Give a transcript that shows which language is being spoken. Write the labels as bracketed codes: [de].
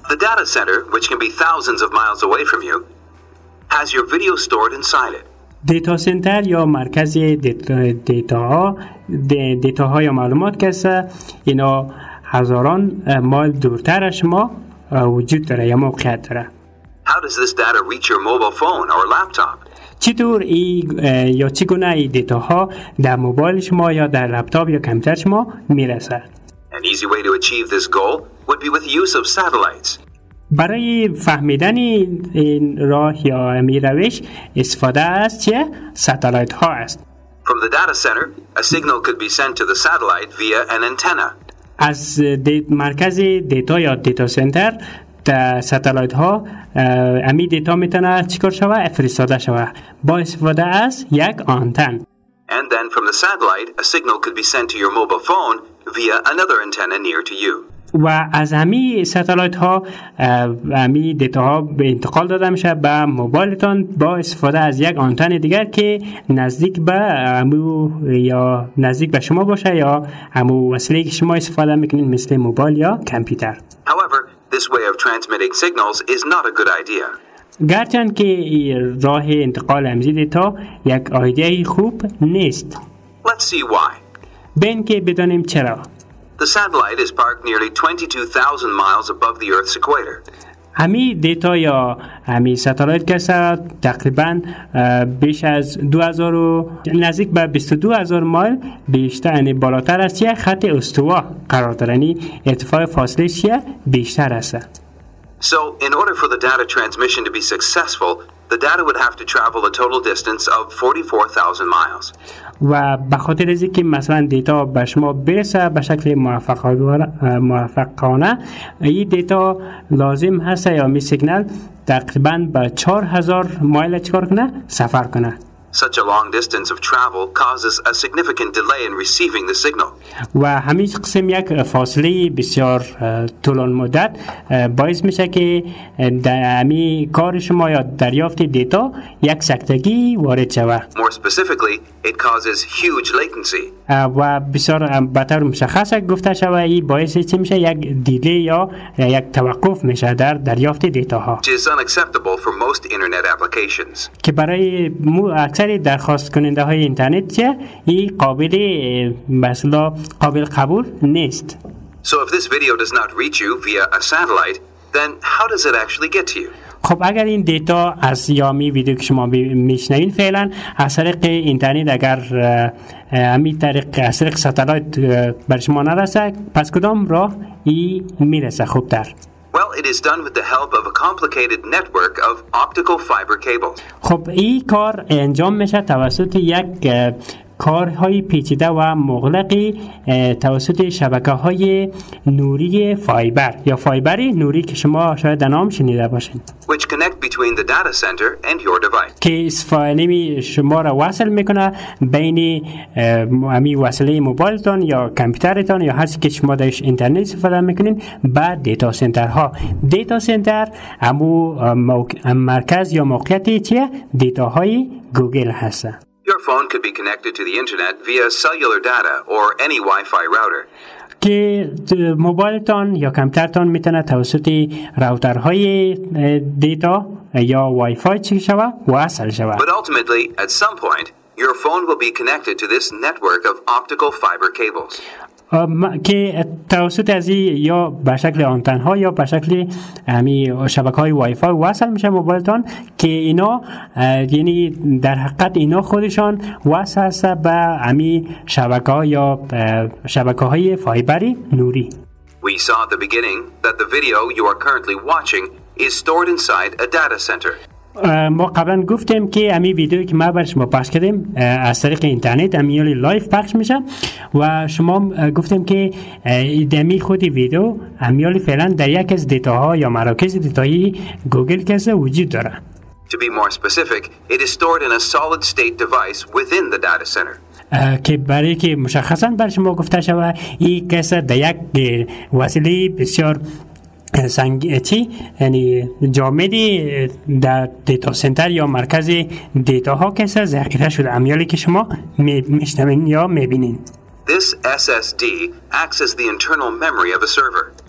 [en] The data center, which can be thousands of miles away from you, has your video stored inside it. [fa] دیتا سنتر یا مرکز دیتا ها یا معلومات کسه اینا هزاران مایل دورتر از شما وجود داره یا موقعیت داره. [en] How does this data reach your mobile phone or laptop? [fa] چطور یا چگونه ای دیتا ها در موبایل شما یا در لپتاپ یا کامپیوتر شما میرسه؟ [en] An easy way to achieve this goal would be with use of satellites. [fa] برای فهمیدن این راه یا می روش استفاده از چه؟ ساتلایت ها است. [en] From the data center, a signal could be sent to the satellite via an antenna. [fa] از مرکز دیتا یا دیتا سنتر تا ساتلایت ها امی دیتا میتونه چیکار شوه؟ فرستاده شوه با استفاده از یک آنتن. [en] And then from the satellite a signal could be sent to your mobile phone via another antenna near to you. [fa] و از امی ساتلایت ها امی دیتا ها به انتقال داده میشه به موبایلتون با استفاده از یک آنتن دیگر که نزدیک به امو یا نزدیک به شما باشه یا امو وسیله که شما استفاده میکنین مثل موبایل یا کامپیوتر. [en] However, this way of transmitting signals is not a good idea. [fa] گرچند که راه انتقال امزی دیتا یک آیدیه خوب نیست. [en] Let's see why. [fa] بین که بدانیم چرا. [en] The satellite is parked nearly 22,000 miles above the Earth's equator. [fa] همی دیتا یا همی ستالایت که سر تقریبا بیش از 2000 و نزدیک به 22000 مایل بیشتر یعنی بالاتر است یه خط استوا قرار دارنی ارتفاع فاصله شیه بیشتر است. [en] So in order for the data transmission to be successful, the data would have to travel a total distance of 44,000 miles. [fa] و به خاطر از اینکه مثلا دیتا به شما برسه به شکل موفقانه این دیتا لازم هست یا می سیگنال تقریبا به 4000 مایل چکار کنه سفر کنه. [en] Such a long distance of travel causes a significant delay in receiving the signal. [fa] و همین قسم یک فاصله بسیار طولانی مدت باعث میشه که در همی کار شما یا دریافت دیتا یک سکتگی وارد شود. [en] More specifically, it causes huge latency. [fa] و بسیار بهتر مشخص گفته شود این باعث چی میشه یک دیلی یا یک توقف میشه در دریافت دیتا ها. [en] Which is unacceptable for most internet applications. [fa] که برای اکثر درخواست کننده های اینترنت چه این قابل مثلا قابل قبول نیست. [en] So if this video does not reach you via a satellite, then how does it actually get to you? [fa] خب اگر این دیتا از یامی ویدیو که شما میشنوین فعلا از طریق اینترنت اگر همین طریق از طریق ساتلایت بر شما نرسه پس کدام راه ای میرسه خوب تر؟ [en] Well, it is done with the help of a complicated network of optical fiber cables. [fa] خب این کار انجام میشه توسط یک کارهای پیچیده و مغلقی توسط شبکه های نوری فایبر یا فایبری نوری که شما شاید در نام شنیده باشین. [en] Which connect between the data center and your device. [fa] که فایبری شما را وصل میکنه بین همی وصله موبایلتون یا کمپیوترتون یا هر چیزی که شما درش اینترنت استفاده میکنین بعد دیتا سنترها. دیتا سنتر همو مرکز یا موقعیتی چیه؟ دیتا های گوگل هسته. [en] Your phone could be connected to the internet via cellular data or any Wi-Fi router. [fa] که موبایلتون یا کمپیوترتون میتونه توسط راوترهای دیتا یا وایفای چی شوه وصل شوه. [en] But ultimately, at some point, your phone will be connected to this network of optical fiber cables. [fa] که توسط از این یا به شکل آنتن‌ها یا به شکل همین شبکه‌های وایفای وصل میشه موبایلتون که اینا یعنی در حقیقت اینا خودشان وصل هست به همین شبکه‌ها یا شبکه‌های فایبری نوری. [en] We saw at the beginning that the video you are currently watching is stored inside a data center. [fa] ما قبلا گفتیم که همین ویدیویی که ما برای شما پخش کردیم از طریق اینترنت همین لایف پخش میشه و شما گفتیم که دمی خودی ویدیو همین فعلا در یک از دیتاها یا مراکز دیتایی گوگل کسه وجود داره. [en] To be more specific, it is stored in a solid state device within the data center. [fa] که برای که مشخصا برای شما گفته شده این کسه در یک وسیله بسیار سنگیتی یعنی جامدی در دیتا سنتر یا مرکز دیتا ها کسی ذخیره شده امیالی که شما میشنوین یا میبینین. [en] This SSD acts as the internal memory of a server.